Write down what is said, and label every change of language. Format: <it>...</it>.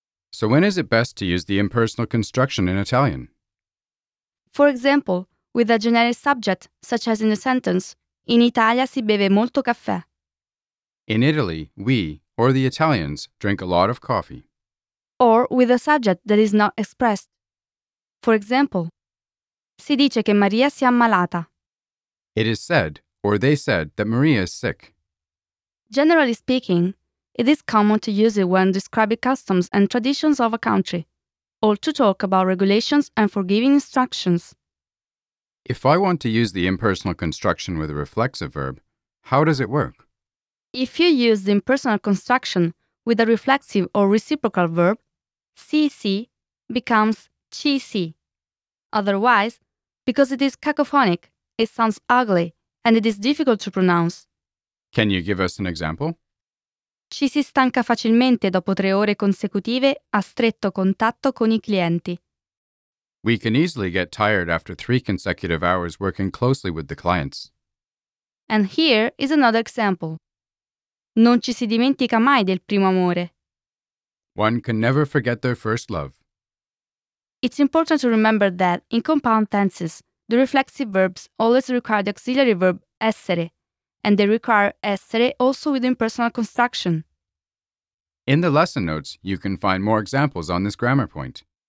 <en>So when is it best to use the impersonal construction in Italian? For example, with a generic subject, such as in the sentence,</en> <it>in Italia si beve molto caffè.</it> <en>In Italy, we, or the Italians, drink a lot of coffee. Or with a subject that is not expressed. For example,</en> <it>si dice che Maria si è ammalata.</it> <en>It is said, or they said, that Maria is sick. Generally speaking, it is common to use it when describing customs and traditions of a country, or to talk about regulations and forgiving instructions. If I want to use the impersonal construction with a reflexive verb, how does it work? If you use the impersonal construction with a reflexive or reciprocal verb, CC becomes CC. Otherwise, because it is cacophonic, it sounds ugly and it is difficult to pronounce. Can you give us an example?</en> <it>Ci si stanca facilmente dopo tre ore consecutive a stretto contatto con i clienti.</it> <en>We can easily get tired after three consecutive hours working closely with the clients. And here is another example.</en> <it>Non ci si dimentica mai del primo amore.</it> <en>One can never forget their first love. It's important to remember that in compound tenses, the reflexive verbs always require the auxiliary verb essere, and they require essere also with impersonal construction. In the lesson notes, you can find more examples on this grammar point.</en>